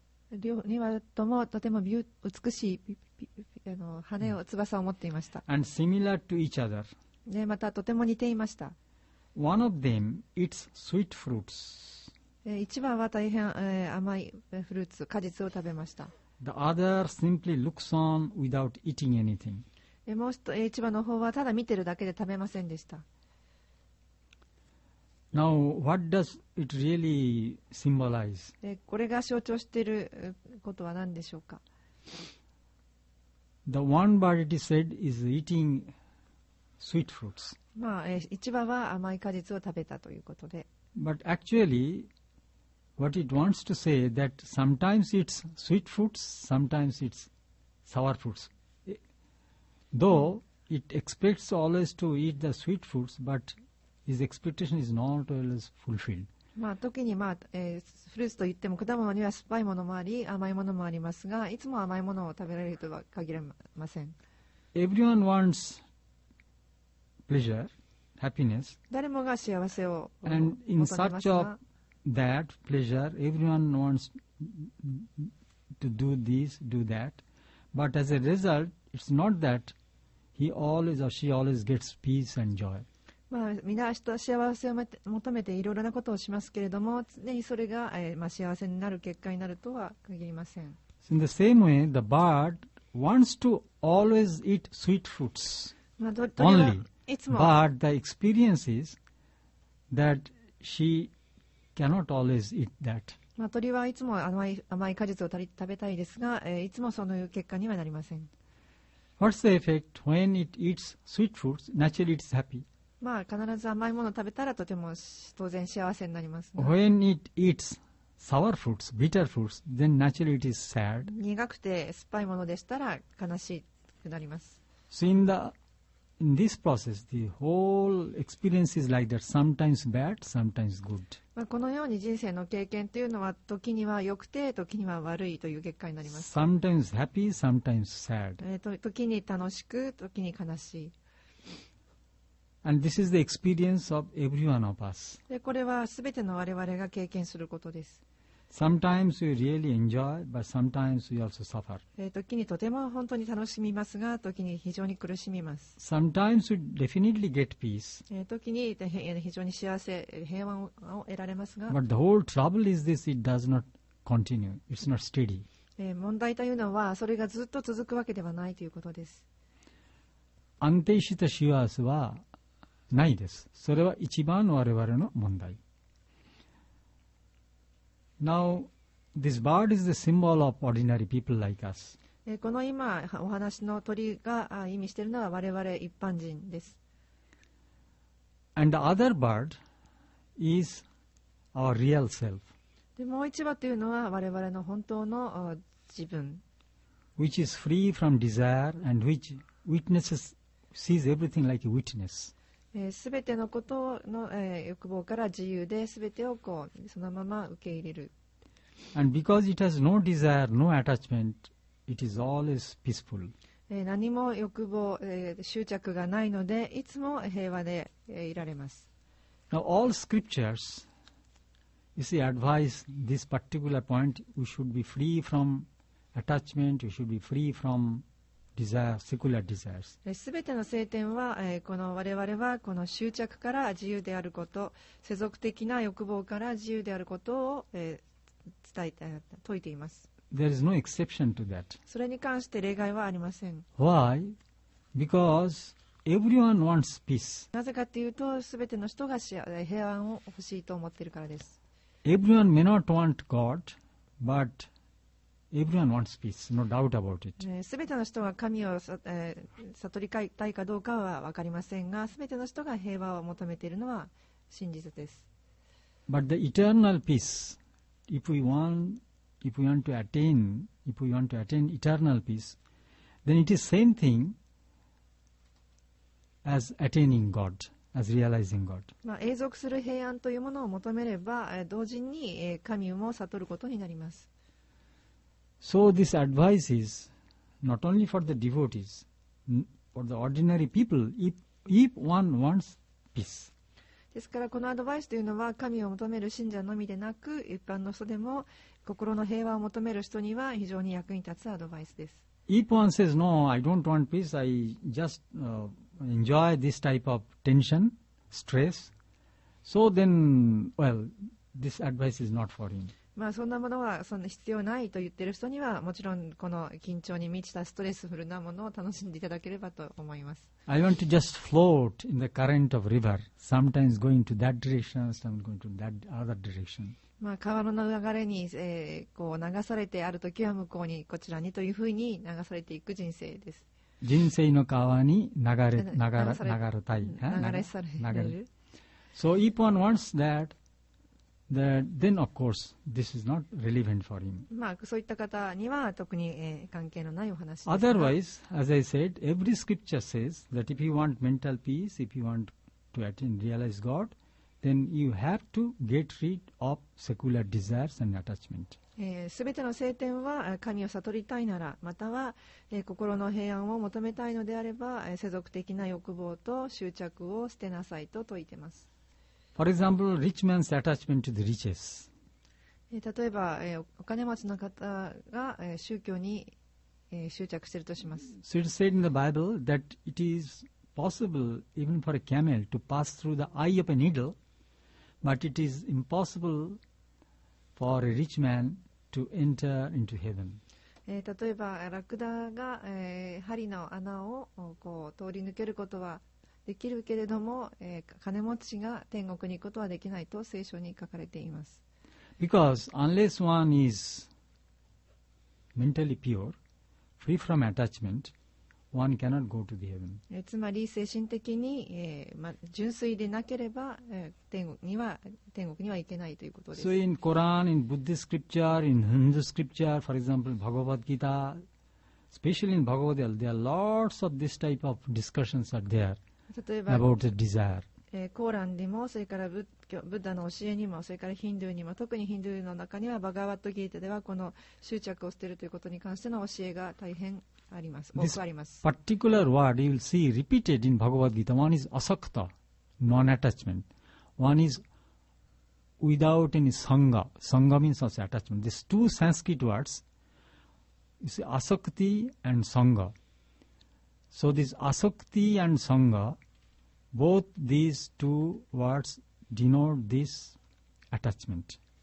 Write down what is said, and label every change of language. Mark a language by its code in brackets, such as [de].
[ja] 2羽ともとても美しい羽を翼を持っていました。 [en] And similar to each other. [ja] でまたとても似ていました。 [en] One of them eats sweet fruits. [ja] 1羽は大変甘いフルーツ果実を食べました。 [en] The other simply looks on without eating anything. [ja] もう一羽の方はただ見てるだけで食べませんでした。 [en] Now, what does it really symbolize? [ja] これが象徴していることは何でしょうか。 [en] The one bird it is said is eating sweet fruits. [ja] まあ、一羽は甘い果実を食べたということで。 [en] But actually, what it wants to say that sometimes it's sweet fruits, sometimes it's sour fruits. Though it expects always to eat the sweet foods, but his expectation is not always fulfilled. [ja] まあ、時に、まあフルーツといっても果物には酸っぱいものもあり甘いものもありますが、いつも甘いものを食べられるとは限りません。 [en] Everyone wants pleasure, happiness. [ja] 誰もが幸せを求めますが、 [en] And in search of that pleasure, everyone wants to do this, do that. But as a result,It's not that he always or she always gets peace and joy. [ja] まあ、みんな人は幸せを求めていろいろなことをしますけれども、常にそれが、まあ、幸せになる結果になるとは限りません。 [en] In the same way, the bird wants to always eat sweet fruits only. But the experience is that she cannot always eat that. [ja] まあ、鳥はいつも甘い果実を食べたいですが、いつもそういう結果にはなりません。 [en] What's the effect when it eats sweet fruits? Naturally, it's happy. [ja] まあ、必ず甘いものを食べたらとても当然幸せになります、ね。 [en] When it eats sour fruits, bitter fruits, then naturally it is sad. [ja] 苦くて酸っぱいものでしたら悲しくなります。 [en] So in this process, the whole experience is like that. Sometimes bad, sometimes good. [ja] まあ、このように人生の経験というのは時には良くて時には悪いという結果になります。 [en] Sometimes happy, sometimes sad. [ja] 時に楽しく、時に悲しい。 [en] And this is the experience of every one of us. [ja] で、これは全ての我々が経験することです。 [en] Sometimes we really enjoy, but sometimes we also suffer. [ja] 時にとても本当に楽しみますが、時に非常に苦しみます。 [en] Sometimes we definitely get peace. [ja] 時に非常に幸せ、平和を得られますが、 [en] But the whole trouble is this, it does not continue. It's not steady. [ja] 問題というのは、それがずっと続くわけではないということです。安定した幸せはないです。それは一番我々の問題。 [en] Now, this bird is the symbol of ordinary people like us. [ja] この今お話の鳥が意味しているのは我々一般人です。 [en] And the other bird is our real self. [ja] でもう一羽というのは我々の本当の自分。 [en] Which is free from desire and which witnesses, sees everything like a witness. [ja] すべてのことの、欲望から自由で、すべてをこうそのまま受け入れる。 [en] And because it has no desire, no attachment, it is always peaceful. [ja] 何も欲望、執着がないので、いつも平和で、いられます。 [en] Now all scriptures, you see, advise this particular point. We should be free from attachment. We should be free from. [ja] すべての聖典は、この我々はこの執着から自由であること、世俗的な欲望から自由であることを、伝えて、説いています。 [en] There is no exception to that. [ja] それに関して例外はありません。 [en] Why? Because everyone wants peace. [ja] なぜかというと、すべての人が平安を欲しいと思っているからです。 [en] Everyone may not want God, but... Everyone wants peace, no doubt about it. [ja] 全ての人が神を、悟りたいかどうかは分かりませんが、全ての人が平和を求めているのは真実です。 [en] But the eternal peace, if we want to attain eternal peace, then it is same thing as attaining God. As realizing God. [ja] まあ、永続する平安というものを求めれば、同時に、神も悟ることになります。 [en] So this advice is not only for the devotees, for the ordinary people. If one wants peace, [ja] ですからこのアドバイスというのは神を求める信者のみでなく一般の人でも心の平和を求める人には非常に役に立つアドバイスです。 [en] If one says no, I don't want peace. I just enjoy this type of tension, stress. So then, well, this advice is not for him. [ja] まあ、そんなものはそんな必要ないと言っている人にはもちろんこの緊張に満ちたストレスフルなものを楽しんでいただければと思います。 [en] I want to just float in the current of river sometimes going to that direction sometimes going to that other direction、 [ja] まあ、川の流れに、こう流されてあるときは向こうにこちらにというふうに流されていく人生です。人生の川に流れたい流れ [en] So if one wants thatThen of course this is not relevant for him. [ja] まあそういった方には特に、関係のないお話です。 [en] Otherwise, as I said, every scripture says that if you want mental peace, if you want to attain, realize God, then you have to get rid of secular desires and attachment. [ja] すべての聖典は神を悟りたいなら、または、心の平安を求めたいのであれば、世俗的な欲望と執着を捨てなさいと説いてます。 [en] For example, rich man's attachment to the riches. [ja] 例えば、お金持ちの方が、宗教に、執着しているとします。 [en] So it is said in the Bible that it is possible even for a camel to pass through the eye of a needle, but it is impossible for a rich man to enter into heaven. [ja] 例えば、ラクダが、針の穴をこう通り抜けることはできるけれども、金持ちが天国に行くことはできないと聖書に書かれています。 [en] Because unless one is mentally pure, free from attachment, one cannot go to the heaven. [ja] つまり精神的に、ま、純粋でなければ、天国には行けないということです。 [en] So in Quran, in Buddhist scripture, in Hindu scripture, for example, Bhagavad Gita, especially in Bhagavad Gita, there are lots of this type of discussions are there. [ja] 例えば、 [en] about the desire. [ja] コーランでもそれから ブッダの教えにもそれからヒンドゥーにも特にヒンドゥーの中にはバガワットギータではこの執着を捨てるということに関しての教えが大変あります多くあります [en] This particular word you will see repeated in Bhagavad Gita One is asakta, non-attachment One is without any sangha Sangha means also attachment These two Sanskrit words You see asakti and sangha So this asakti and sangha Both these two words denote this attachment.